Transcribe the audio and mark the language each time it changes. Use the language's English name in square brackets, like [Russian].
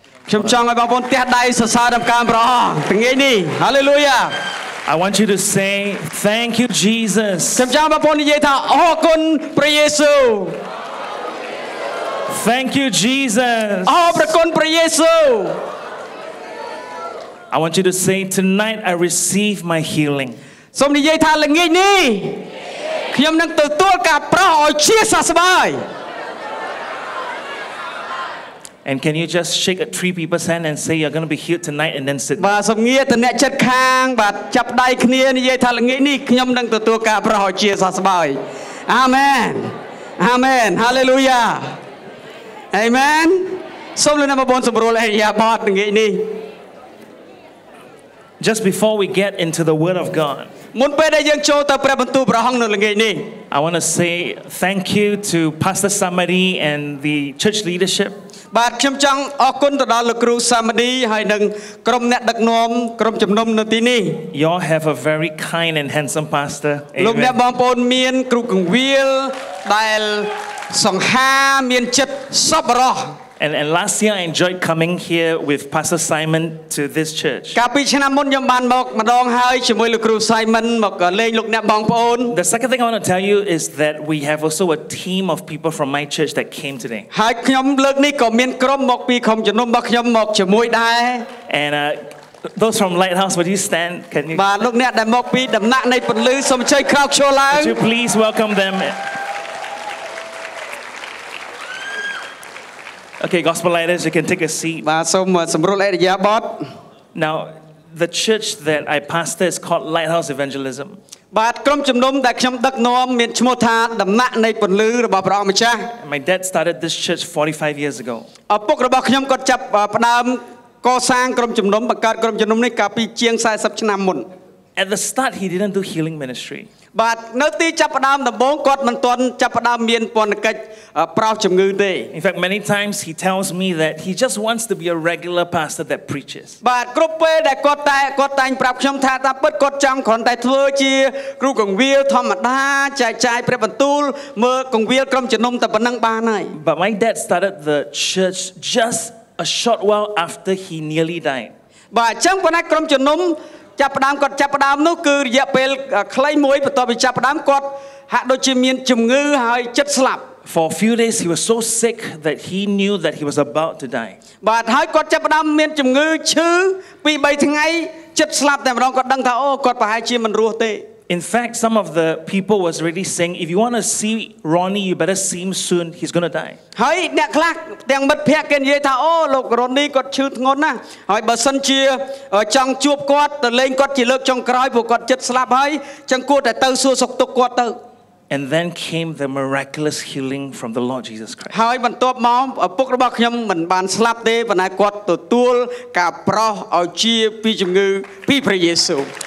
[Khmer] ខ្ញុំចង់ឲ្យបងប្អូនទះដៃសរសើរដល់ការព្រះអង្គថ្ងៃនេះ Hallelujah [English] I want you to say thank you Jesus. [Khmer] ខ្ញុំចង់បងនិយាយថាអរគុណព្រះយេស៊ូវ. [English] Thank you Jesus. [Khmer] អរគុណព្រះយេស៊ូវ. [English] I want you to say tonight I receive my healing. [Khmer] សូមនិយាយថាល្ងាចនេះខ្ញុំនឹងទទួលការប្រោះឲ្យជាសះស្បើយ. [English] And can you just shake at three people's hand and say you're going to be healed tonight and then sit [Khmer] បាទសូមងារតអ្នកចិត្តខាងបាទចាប់ដៃគ្នានិយាយថាល្ងាចនេះខ្ញុំនឹងទទួលការប្រោះជាសះស្បើយ Amen Amen Hallelujah Amen សូមលោកអ្នកបងសម្រួលអរិយាបថល្ងាចនេះ [English] Just before we get into the word of God [Khmer] មុនពេលដែលយើងចូលទៅព្រះបន្ទូលព្រះអង្គនៅល្ងាចនេះ [English] I want to say thank you to Pastor Samari and the church leadership [Khmer] បាទខ្ញុំចង់អរគុណទៅដល់លោកគ្រូសាមនីហើយនិងក្រុមអ្នកដឹកនាំក្រុមជំនុំនៅទីនេះ [English] You have a very kind and handsome pastor [Khmer] លោកអ្នកបងប្អូនមានគ្រូកងវិលដែលសង្ហាមានចិត្តសប្បុរស [English] And last year I enjoyed coming here with Pastor Simon to this church [Khmer] កាលពីឆ្នាំមុនខ្ញុំបានមកម្ដងហើយជាមួយលោកគ្រូសៃមិនមកលេងលោកអ្នកបងប្អូន [English] The second thing I want to tell you is that we have also a team of people from my church that came today [Khmer] ហើយខ្ញុំលើកនេះក៏មានក្រុមមកពីក្រុមជំនុំរបស់ខ្ញុំមកជាមួយដែរ [English] And those from Lighthouse would you stand can you [Khmer] បាទលោកអ្នកដែលមកពីដំណាក់នៃពលឺសូមជួយក្រោកឈរឡើង [English] Would you please welcome them Okay, gospel leaders, you can take a seat. [Khmer] បាទសូមសម្រួលអរិយាបថ [English] Now, the church that I pastor is called Lighthouse Evangelism. [Khmer] បាទក្រុមជំនុំដែលខ្ញុំដឹកនាំមានឈ្មោះថាដំណាក់នៃពន្លឺរបស់ព្រះអង្គម្ចាស់ [English] My dad started this church 45 years ago [Khmer] អពុករបស់ខ្ញុំគាត់ចាប់ផ្ដើមកសាងក្រុមជំនុំបង្កើតក្រុមជំនុំនេះកាលពីជាង40ឆ្នាំមុន [English] At the start he didn't do healing ministry [Khmer] But នៅទីចាប់ផ្ដើមដំបូងគាត់មិនទាន់ចាប់ផ្ដើមមានពន្យល់កិច្ចប្រោសជំងឺទេ [English] In fact many times he tells me that he just wants to be a regular pastor that preaches [Khmer] But គ្រប់ពេលដែលគាត់តែងប្រាប់ខ្ញុំថាតើពិតគាត់ចង់គ្រាន់តែធ្វើជាគ្រូកងវិលធម្មតាចែកចាយព្រះបន្ទូលមើលកងវិលក្រុមជំនុំតែប៉ុណ្្នឹងបានហើយ [English] But my dad started the church just a short while after he nearly died [Khmer] បាទអញ្ចឹងប៉ុន្តែក្រុមជំនុំចាប់ផ្ដើមគាត់ចាប់ផ្ដើមនោះគឺរយៈពេលខ្លីមួយបន្ទាប់ពីចាប់ផ្ដើមគាត់ហាក់ដូចជាមានជំងឺហើយចិត្តស្លាប់ [English] For a few days he was so sick that he knew that he was about to die [Khmer] បាទហើយគាត់ចាប់ផ្ដើមមានជំងឺឈឺ2-3 ថ្ងៃចិត្តស្លាប់តែម្ដងគាត់ដឹងថាអូគាត់ប្រហែលជាមិនរស់ទេ [English] In fact some of the people was really saying if you want to see Ronnie you better see him soon he's going to die [Khmer] ហើយអ្នកខ្លះទាំងមិត្តភក្តិគេនិយាយថាអូលោក Ronnie គាត់ឈឺធ្ងន់ណាស់ហើយបើសិនជាចង់ជួបគាត់ទៅលេងគាត់ជាលើកចុងក្រោយព្រោះគាត់ចិត្តស្លាប់ហើយចឹងគួរតែទៅសួរសុខទុក្ខគាត់ទៅ [English] And then came the miraculous healing from the Lord Jesus Christ [Khmer] ហើយបន្ទាប់មកឪពុករបស់ខ្ញុំមិនបានស្លាប់ទេប៉ុន្តែគាត់ទទួលការប្រោះឲ្យជាពីជំងឺពីព្រះយេស៊ូវ